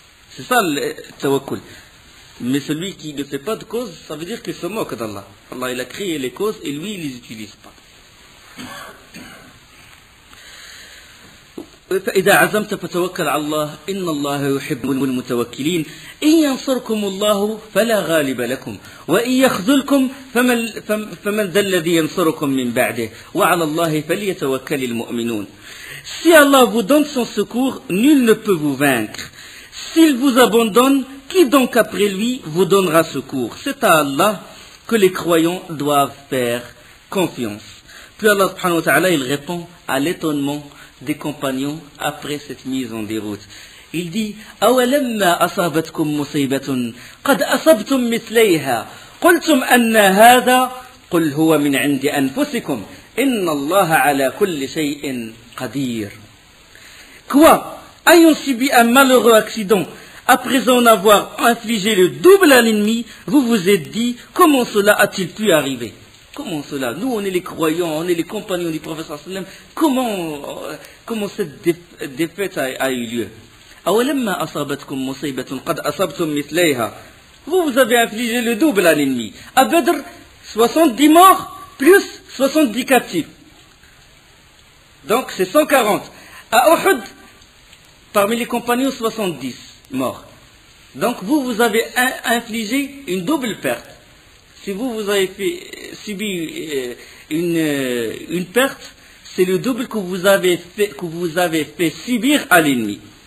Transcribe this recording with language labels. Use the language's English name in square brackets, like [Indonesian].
[French] C'est ça le tawakkul. Mais celui qui ne fait pas de causes, ça veut dire qu'il se moque d'Allah. Allah, il a créé les causes et lui, il ne les utilise pas. [Arabic] فإذا عزمت فتوكل على الله إن الله يحب المتوكلين إن ينصركم الله فلا غالب لكم وإن يخذلكم فمن ذا الذي ينصركم من بعده وعلى الله فليتوكل المؤمنون. [French] Si Allah vous donne son secours, nul ne peut vous vaincre. S'il vous abandonne, qui donc après lui vous donnera secours? C'est à Allah que les croyants doivent faire confiance. Puis Allah subhanahu wa ta'ala, il répond à l'étonnement des compagnons après cette mise en déroute. Il dit: [Arabic] أَوَلَمَّا أَصَابَتْكُمْ مُصِيبَةٌ قَدْ أَصَبْتُمْ مِثْلَيْهَا قُلْتُمْ أَنَّ هَذَا قُلْ هُوَ مِنْ عِنْدِ أَنفُسِكُمْ إِنَّ اللَّهَ عَلَى كُلِّ شَيْءٍ قَدِيرٌ. [French] Quoi? Ayant subi un malheureux accident, après en avoir infligé le double à l'ennemi, vous vous êtes dit: comment cela a-t-il pu arriver? Comment cela? Nous, on est les croyants, on est les compagnons du prophète sallallahu alayhi wa sallam. Comment cette défaite a eu lieu? [Arabic] أولما أصابتكم مصيبة قد أصبتم مثليها. [French] Vous avez infligé le double à l'ennemi. À Badr, 70 morts plus 70 captifs. Donc c'est 140. À Uhud, parmi les compagnons, 70 morts. Donc vous avez infligé une double perte. Si vous avez subi une perte, c'est le double que vous avez fait subir à l'ennemi.